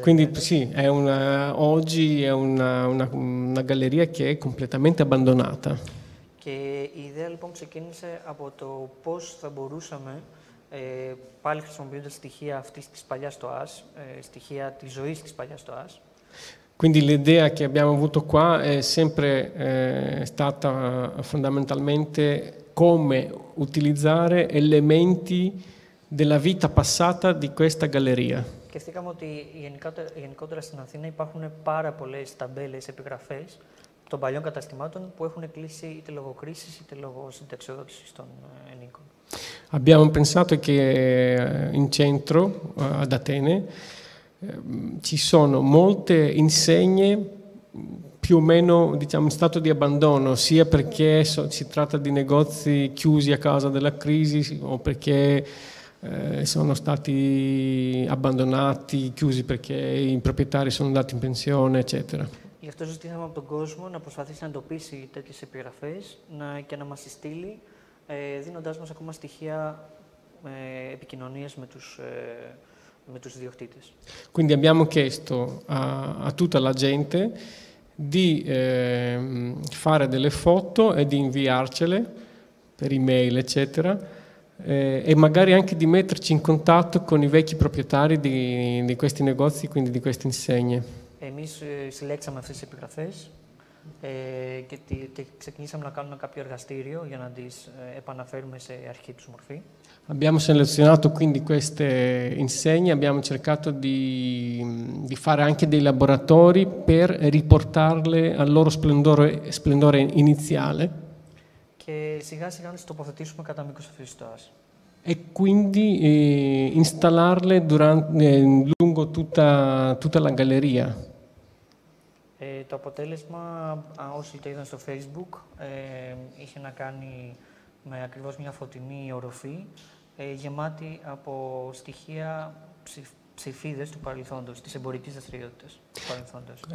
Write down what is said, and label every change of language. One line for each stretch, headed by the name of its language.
Italian: Quindi sì, è una, oggi è una galleria che è completamente abbandonata. Che idea,
Greek: λοιπόν, ξεκίνησε από το πώς θα μπορούσαμε πάλι χρησιμοποιώντας στοιχεία αυτής της παλιάς τοάς, στοιχεία της ζωής της παλιάς τοάς.
Italian: Quindi l'idea che abbiamo avuto qua è sempre stata fondamentalmente come utilizzare elementi della vita passata di questa galleria.
Greek: Σκεφτήκαμε ότι γενικότερα στην Αθήνα υπάρχουν πάρα πολλές ταμπέλες, επιγραφές των παλιών καταστημάτων που έχουν κλείσει είτε λόγω κρίσης είτε λόγω συνταξιοδότησης των ενίκων.
Italian: Abbiamo pensato che in centro, ad Atene, ci sono molte insegne più o meno diciamo, in stato di abbandono, sia perché si tratta di negozi chiusi a causa della crisi o perché sono stati abbandonati, chiusi perché i proprietari sono andati in pensione, eccetera.
Greek: Γι' αυτό ζητήσαμε από τον κόσμο να προσπαθήσει να εντοπίσει τέτοιες επιγραφές και να μας συστήλει, δίνοντάς μας ακόμα στοιχεία επικοινωνίας με τους, με τους ιδιοκτήτες.
Italian: Quindi abbiamo chiesto a, a tutta la gente di fare delle foto e di inviarcele per email, eccetera, e magari anche di metterci in contatto con i vecchi proprietari di, di questi negozi, quindi di queste insegne.
Greek: Εμείς συλλέξαμε αυτές τις επιγραφές και ξεκινήσαμε να κάνουμε κάποιο εργαστήριο για να τις επαναφέρουμε σε αρχή τους μορφή.
Italian: Abbiamo selezionato quindi queste insegne, abbiamo cercato di, di fare anche dei laboratori per riportarle al loro splendore, splendore iniziale.
Greek: Και σιγά σιγά να τις τοποθετήσουμε κατά μήκος αυτής της τοάς.
Italian: E quindi installarle durante, lungo tutta, tutta la galleria.
Greek: Το αποτέλεσμα, όσοι το είδαν στο Facebook, είχε να κάνει με ακριβώς μια φωτεινή οροφή, γεμάτη από στοιχεία ψηφίδες του παρελθόντος, της εμπορικής δραστηριότητας του παρελθόντος.